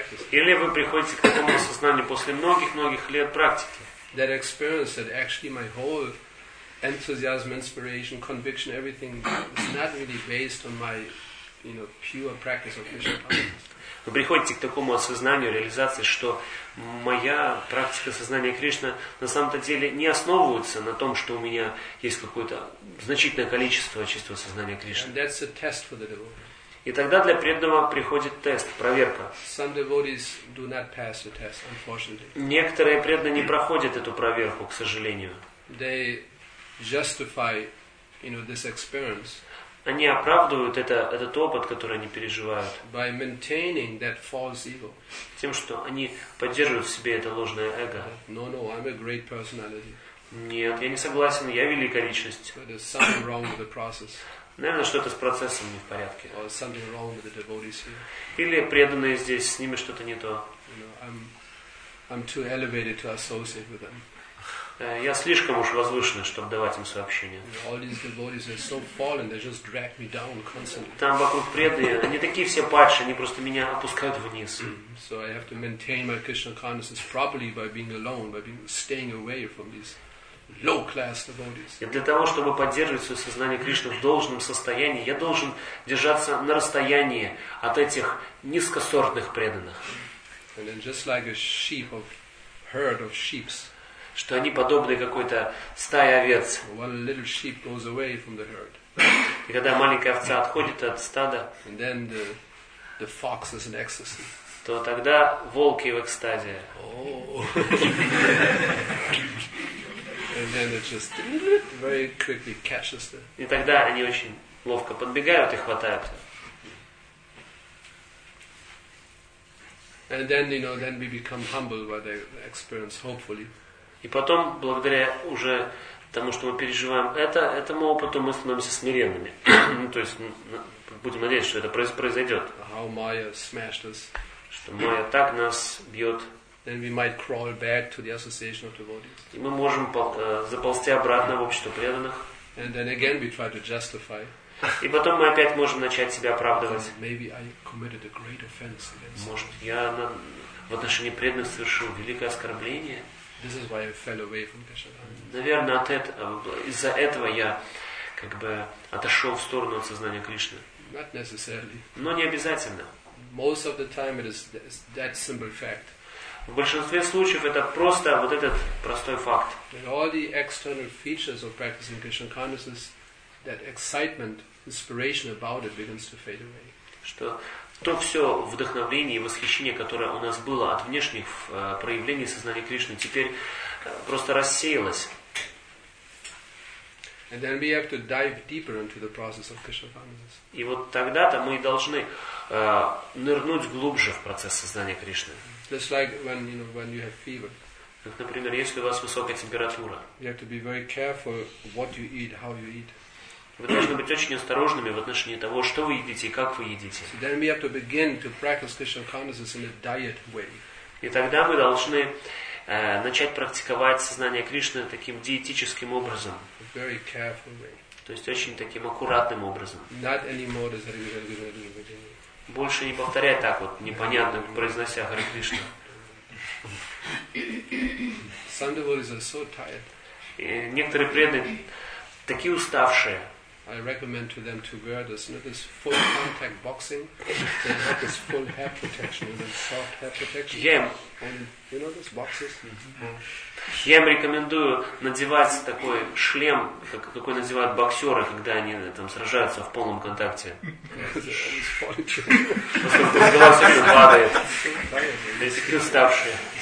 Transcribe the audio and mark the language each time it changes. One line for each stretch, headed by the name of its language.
Russian: Или вы приходите к такому осознанию после многих-многих лет практики.
English: That experience that actually my whole enthusiasm, inspiration, conviction, everything is not really based on my, you know, pure practice of Krishna consciousness.
Russian: Вы приходите к такому осознанию, реализации, что моя практика сознания Кришны на самом-то деле не основывается на том, что у меня есть какое-то значительное количество чистого сознания Кришны.
English: And that's a test for the devotee.
Russian: И тогда для преданного приходит тест, проверка.
English: Some devotees do not pass the test, unfortunately.
Russian: Некоторые преданные не проходят эту проверку, к сожалению.
English: They justify, you know, this experience.
Russian: Они оправдывают этот опыт, который они переживают.
English: By maintaining that false ego.
Russian: Тем, что они поддерживают в себе это ложное эго.
English: No, I'm a great personality.
Russian: Нет, я не согласен, я великая личность.
English: But there's something wrong with the process.
Russian: Наверное, что-то с процессом не в порядке.
English: Or something wrong with the devotees here.
Russian: Или преданные здесь, с ними что-то не то.
English: You know, I'm too elevated to associate with them.
Russian: Я слишком уж возвышенный, чтобы давать им сообщения.
English: All these devotees are so fallen, they just drag me down constantly.
Russian: Там вокруг преданные, они такие все падшие, они просто меня опускают вниз.
English: So I have to maintain my Krishna consciousness properly by being alone, by staying away from these low-class devotees.
Russian: И для того, чтобы поддерживать свое сознание Кришны в должном состоянии, я должен держаться на расстоянии от этих низкосортных преданных.
English: And then just like a sheep of herd of sheep.
Russian: Что они подобны какой-то стае овец.
English: One little sheep goes away from the herd.
Russian: И когда маленькая овца отходит от стада,
English: and then the the fox is in ecstasy.
Russian: То тогда волки в экстазе.
English: And then it just very quickly catches them.
Russian: И тогда они очень ловко подбегают и хватают.
English: And then, you know, then we become humble by the experience, hopefully.
Russian: И потом, благодаря уже тому, что мы переживаем это, этому опыту, мы становимся смиренными. То есть, будем надеяться, что это произойдет.
English: How Maya smashed us.
Russian: Что Maya так нас бьет.
English: Then we might crawl back to the association of devotees.
Russian: И мы можем заползти обратно в общество преданных.
English: And then again we try to justify.
Russian: И потом мы опять можем начать себя оправдывать.
English: Maybe I committed a great offense against.
Russian: Может, я в отношении преданных совершил великое оскорбление.
English: This is why I fell away from Keshavananda.
Russian: Наверное, от этого, из-за этого я как бы отошел в сторону от сознания Кришны.
English: Not necessarily.
Russian: Но не обязательно.
English: Most of the time it is that simple fact.
Russian: В большинстве случаев это просто вот этот простой факт.
English: And all the external features of practicing Krishna consciousness, that excitement, inspiration about it begins to fade away.
Russian: Что то все вдохновение и восхищение, которое у нас было от внешних проявлений сознания Кришны, теперь просто рассеялось. И вот тогда-то мы и должны нырнуть глубже в процесс сознания Кришны.
English: Just like when, you know, when you have fever.
Russian: Как, например, если у вас высокая температура.
English: You have to be very careful what you eat, how you eat.
Russian: Вы должны быть очень осторожными в отношении того, что вы едите и как вы едите.
English: So then we have to begin to practice Krishna consciousness in a diet way.
Russian: И тогда мы должны начать практиковать сознание Кришны таким диетическим образом.
English: A very careful way.
Russian: То есть очень таким аккуратным образом.
English: Not anymore as regularly.
Russian: Больше не повторяй так вот, непонятно, произнося Харе Кришна.
English: Some devotees are so tired.
Russian: И некоторые преданные такие уставшие.
English: I recommend to them to wear this, you know, this full contact boxing. They have this full hair protection, this soft hair protection. And you know those boxes?
Russian: Я им рекомендую надевать такой шлем, какой надевают боксеры, когда они там сражаются в полном контакте. Поскольку голова все это падает. Такие уставшие.